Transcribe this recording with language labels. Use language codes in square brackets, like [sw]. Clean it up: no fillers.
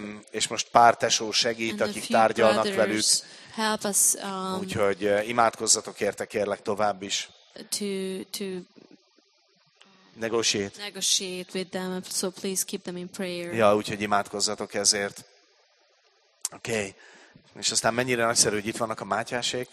[hu] És most pár tesó segít, akik tárgyalnak velük. [en] Help us. [hu] Úgyhogy imádkozzatok érte, kérlek, tovább is. [en] To negotiate with them, so please keep them in prayer. [hu] Ja, úgyhogy imádkozzatok ezért. Okay. És aztán mennyire nagyszerű, hogy itt vannak a Mátyásék.